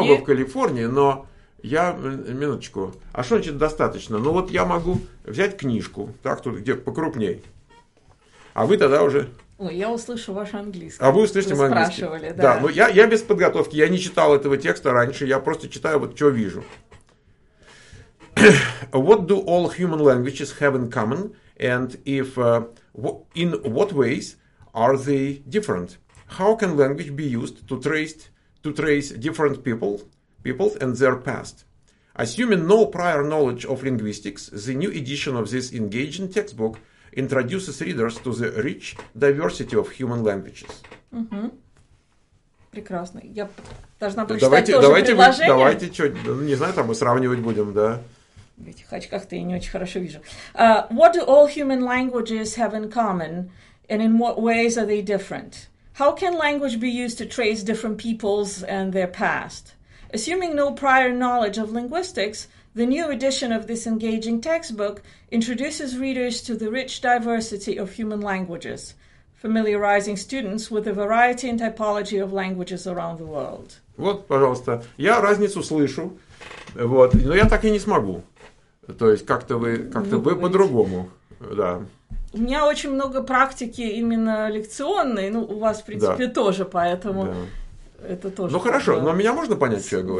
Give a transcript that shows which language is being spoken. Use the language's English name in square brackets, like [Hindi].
[Russian] оба в Калифорнии, но я, минуточку, а что значит достаточно? Ну, вот я могу взять книжку, так, тут где покрупней, а вы тогда уже... Ой, я услышу ваш английский. А вы услышите мой английский. Вы спрашивали, да. Да, но я без подготовки, я не читал этого текста раньше, я просто читаю, вот что вижу. [English] What do all human languages have in common, and if in what ways are they different? How can language be used to trace different peoples and their past? Assuming no prior knowledge of linguistics, the new edition of this engaging textbook introduces readers to the rich diversity of human languages. [Russian] Угу. Прекрасно. Я должна прочитать тоже предложение. Давайте, что, не знаю, там мы сравнивать будем, да. В этих очках-то я не очень хорошо вижу. [English] What do all human languages have in common, and in what ways are they different? How can language be used to trace different peoples and their past? Assuming no prior knowledge of linguistics, the new edition of this engaging textbook introduces readers to the rich diversity of human languages, familiarizing students with the variety and typology of languages around the world. [Russian] Вот, пожалуйста, я разницу слышу, вот, но я так и не смогу. То есть как-то вы по-другому, да. У меня очень много практики именно лекционной, ну, у вас, в принципе, да. Тоже, поэтому да. Это тоже... Ну, хорошо, но меня можно понять, что я говорю?